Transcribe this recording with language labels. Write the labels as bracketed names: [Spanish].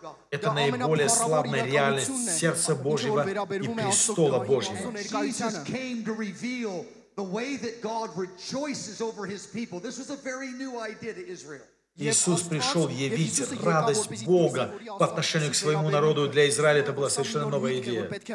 [Russian] Это наиболее славная реальность сердца Божьего и престола Божьего. [English] Jesus came to reveal the way that God rejoices over his people. This was a very new idea to Israel. [Russian] Иисус пришел явить радость Бога по отношению к своему народу, и для Израиля это была совершенно новая идея.